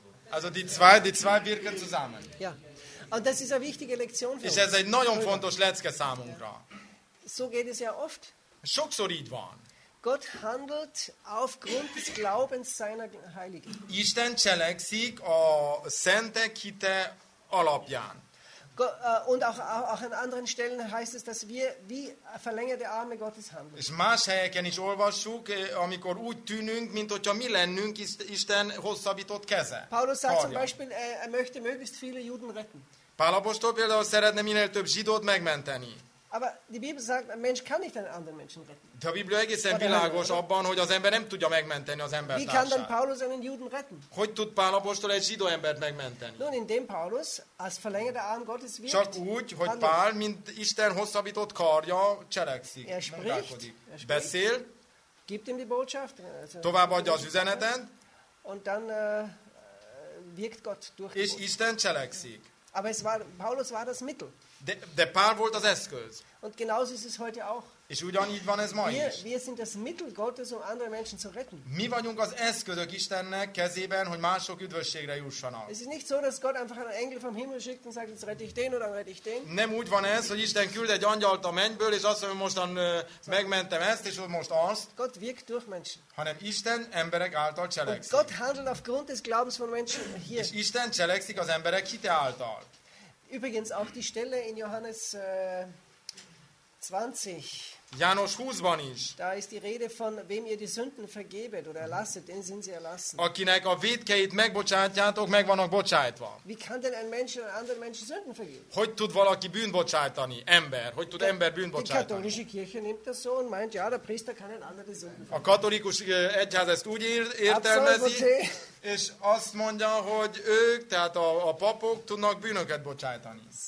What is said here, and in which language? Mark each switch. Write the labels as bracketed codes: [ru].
[de] Also die zwei wirken zusammen. Ja. Und das ist eine wichtige Lektion für uns. [hu] És ez egy nagyon fontos lecke számunkra. [de] So geht es ja oft. [hu] Sokszor így van. [de] Gott handelt aufgrund des Glaubens seiner Heiligen. [hu] Isten cselekszik a szentek hite alapján. [de] Und auch an anderen Stellen heißt es, dass wir wie verlängerte Arme Gottes handeln. [hu] És más helyeken is olvassuk, amikor úgy tűnünk, mint hogyha mi lennünk Isten hosszabbított keze. [de] Paulus sagt zum Beispiel, er möchte möglichst viele Juden retten. [hu] Pál apostol például szeretne minél több zsidót megmenteni. [de] Aber die Bibel sagt, ein Mensch kann nicht einen anderen Menschen retten. [hu] De a Biblia egészen világos abban, hogy az ember nem tudja megmenteni az embertársát. [de] Wie kann dann Paulus einen Juden retten? [hu] Hogy tud Pál apostol egy zsidó embert megmenteni? [de] Nun, indem Paulus als verlängerter Arm Gottes wirkt. [hu] Csak úgy, hogy Pál, mint Isten hosszabbított karja, cselekszik. [de] Er spricht. [hu] Beszél. [de] Gibt ihm die Botschaft. [hu] Továbbadja az üzenetet. [de] Und dann wirkt Gott durch. [hu] És Isten cselekszik. [de] Aber es war, Paulus war das Mittel. [hu] De Pál volt az eszköz. [de] Und genauso ist es heute auch. [hu] És ugyanígy van ez ma [de] wir, [hu] is. [de] Wir sind das Mittel Gottes, um andere Menschen zu retten. [hu] Mi vagyunk az eszközök Istennek kezében, hogy mások üdvösségre jussanak. [de] Es ist nicht so, dass Gott einfach einen Engel vom Himmel schickt und sagt, jetzt rette ich den oder rette ich den. [hu] Nem úgy van ez, hogy Isten küld egy angyalt a mennyből, és azt mondja, hogy mostan megmentem ezt, és most azt. [de] Gott wirkt durch Menschen. [hu] Hanem Isten emberek által cselekszik. [de] Und Gott handelt aufgrund des Glaubens von Menschen hier. [hu] És Isten cselekszik az emberek hite által. [de] Übrigens auch die Stelle in Johannes 20. [hu] János 20-ban is. [de] Da ist die Rede von wem ihr die Sünden vergebet oder erlasset, den sind sie erlassen. [hu] Akinek a vétkeit megbocsátjátok, meg vannak bocsájtva. [de] Wie kann denn ein Mensch einen anderen Menschen Sünden vergeben? [hu] Hogy tud valaki bűnt bocsátani, ember? Hogy tud ember bűnt bocsátani? [de] Die katholische Kirche nimmt das so und meint, ja, der Priester kann einen anderen Sünden vergeben. [hu] A katolikus egyház ezt úgy értelmezi, és azt mondja, hogy ők, tehát a papok tudnak bűnöket bocsájtani.